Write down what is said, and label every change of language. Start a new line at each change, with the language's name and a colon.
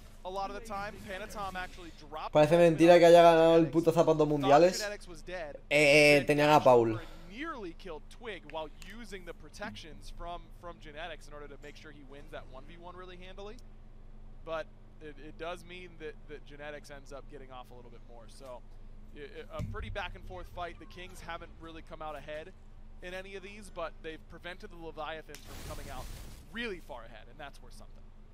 English: A lot of the time, Panatom actually dropped.
Spanish: Parece mentira que haya ganado el puto zapando mundiales. Tenían a Paul.
English: Nearly killed Twig while using the protections from Genetics in order to make sure he wins that 1v1 really handily. But it does mean that Genetics ends up getting off a little bit more. So a pretty back and forth fight. The Kings haven't really come out ahead in any of these, but they've prevented the Leviathans from coming out really far ahead, and that's worth something.